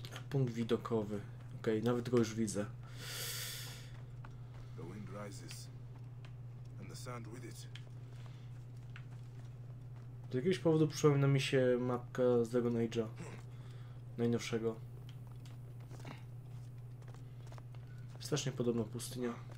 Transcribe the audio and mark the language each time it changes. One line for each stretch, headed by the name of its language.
Polish: Punkt widokowy. Okej, okay, nawet go już widzę.
English: The wind rises and the sand with it.
Polish: Z jakiegoś powodu przypomina mi się mapka z Dragon Age'a. Najnowszego. Strasznie podobna pustynia.